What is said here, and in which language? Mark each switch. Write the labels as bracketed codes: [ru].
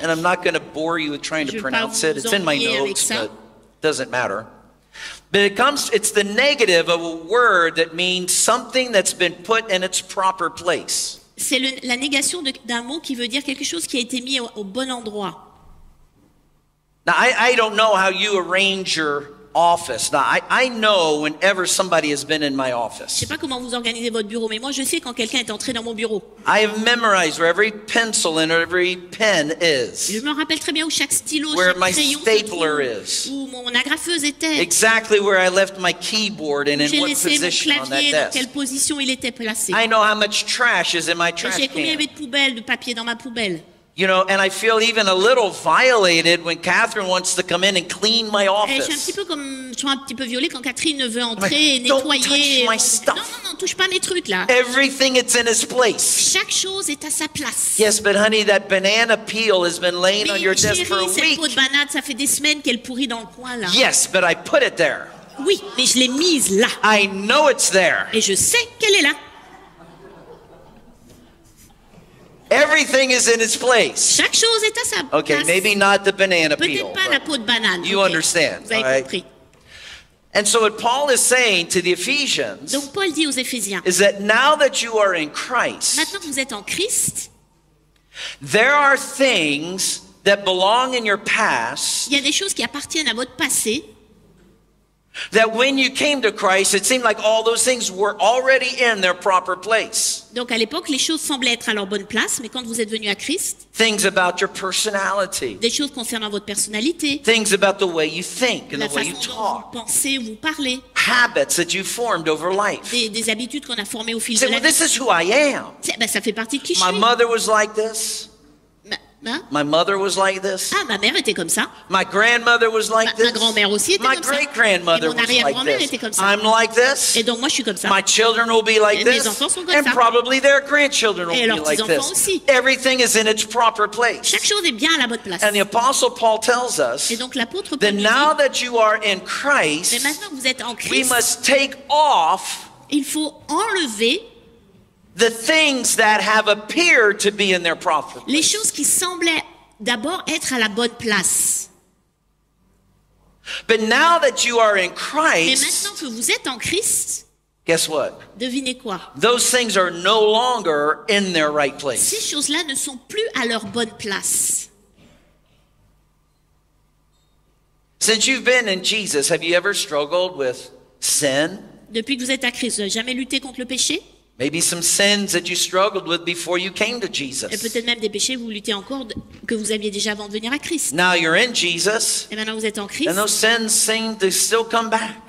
[en] and I'm not going to bore you with trying to pronounce it, it's in my notes, but it doesn't matter. But it comes, it's the negative of a word that means something that's been put in its proper place. [fr] C'est la négation d'un mot qui veut dire quelque chose qui a été mis au bon endroit. [en] Now, I don't know how you arrange your office. Now, I know whenever somebody has been in my office. [fr] Je sais pas comment vous organisez votre bureau, mais moi je sais quand quelqu'un est entré dans mon bureau. [en] I have memorized where every pencil and every pen is. [fr] Je me rappelle très bien où chaque stylo, [en] where [fr] chaque crayon, [en] my stapler is. [fr] Où mon agrafeuse était. [en] Exactly where I left my keyboard and in what position on that desk. [fr] J'ai laissé mon clavier, dans quelle position il était placé. [en] I know how much trash is in my trash can. [fr] Je sais combien il y avait de poubelles, de papier dans ma poubelle. [en] You know, and I feel even a little violated when Kathryn wants to come in and clean my office. [fr] Et je suis un petit peu comme, je suis un petit peu violée quand Catherine veut entrer et nettoyer. [en] Don't touch my stuff. [fr] Non, non, non, touche pas mes trucs là. [en] Everything is in its place. [fr] Chaque chose est à sa place. [en] Yes, but honey, that banana peel has been laying on your desk for a week. [fr] Mais chérie, cette peau de banane, ça fait des semaines qu'elle pourrit dans le coin là. [en] Yes, but I put it there. [fr] Oui, mais je l'ai mise là. [en] I know it's there. [fr] Et je sais qu'elle est là. [en] Everything is in its place. [fr] Chaque chose est à sa place. [en] Okay, maybe not the banana [fr] peut-être [en] peel. [fr] Pas la peau de banane. [en] You [fr] okay. [en] Understand, [fr] vous avez compris. [en] Right? And so what Paul is saying to the Ephesians, [fr] donc Paul dit aux Éphésiens, [en] is that now that you are in Christ, [fr] maintenant que vous êtes en Christ, [en] there are things that belong in your past. [fr] Il y a des choses qui appartiennent à votre passé. [en] That when you came to Christ, it seemed like all those things were already in their proper place. [fr] Donc à l'époque, les choses semblaient être à leur bonne place, mais quand vous êtes venu à Christ, [en] things about your personality, [fr] des choses concernant votre personnalité, [en] things about the way you think and the way you talk, [fr] la façon dont vous pensez ou vous parlez, [en] habits that you formed over life, [fr] des habitudes qu'on a formées au fil [en] say, [fr] de la vie. [en] Well, this is who I am. [fr] C'est, ben, ça fait partie de qui [en] My [fr] je suis. [en] My mother was like this. [fr] Hein? [en] My mother was like this. [fr] Ah, ma mère était comme ça. [en] My grandmother was like this. [fr] Ma grand-mère aussi était [en] My [fr] comme ça. [en] My great-grandmother [fr] mon [en] was like this. [fr] Était comme ça. [en] I'm like this. [fr] Et donc moi je suis comme ça. [en] My children will be like [fr] et [en] this. [fr] Mes enfants sont comme [en] and [fr] ça. [en] Probably their grandchildren [fr] et [en] will [fr] leurs [en] be like [fr] enfants Aussi. [en] Everything is in its proper place. [fr] Chaque chose est bien à la bonne place. [en] And the Apostle Paul tells us [fr] et donc, l'apôtre Paul [en] that [fr] dit, [en] now that you are in Christ, [fr] mais maintenant que vous êtes en Christ, [en] we must take off. [fr] Il faut enlever. [en] The things that have appeared to be in their proper place. [fr] Les choses qui semblaient d'abord être à la bonne place. [en] But now that you are in Christ, [fr] mais maintenant que vous êtes en Christ, [en] guess what? [fr] Devinez quoi? [en] Those things are no longer in their right place. [fr] Ces choses-là ne sont plus à leur bonne place. [en] Since you've been in Jesus, have you ever struggled with sin? [fr] Depuis que vous êtes à Christ, vous n'avez jamais lutté contre le péché? [en] Maybe some sins that you struggled with before you came to Jesus. [fr] Et peut-être même des péchés vous luttez encore que vous aviez déjà avant de venir à Christ. [en] Now you're in Jesus. [fr] Et maintenant vous êtes en Christ. [en] And those sins seem to still come back.